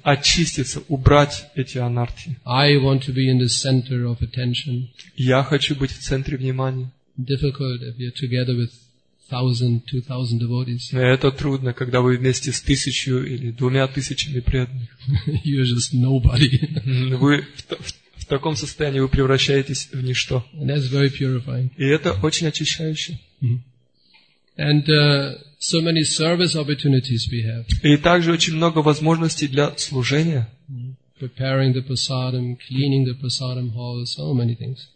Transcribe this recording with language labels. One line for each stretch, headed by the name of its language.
Russian: Очиститься, убрать эти анарты.
English: I want to be in the center of attention.
Russian: Я хочу быть в центре внимания.
English: Difficult if you're together with 1,000, 2,000 devotees.
Russian: Это трудно, когда вы вместе с 1,000 или 2,000 преданных.
English: You're just nobody.
Russian: Вы в таком состоянии вы превращаетесь в ничто.
English: And that's very purifying.
Russian: И это очень очищающе.
English: And so many service opportunities we have.
Russian: И также очень много возможностей для служения.
English: Preparing the prasadam, cleaning the prasadam hall, so many things.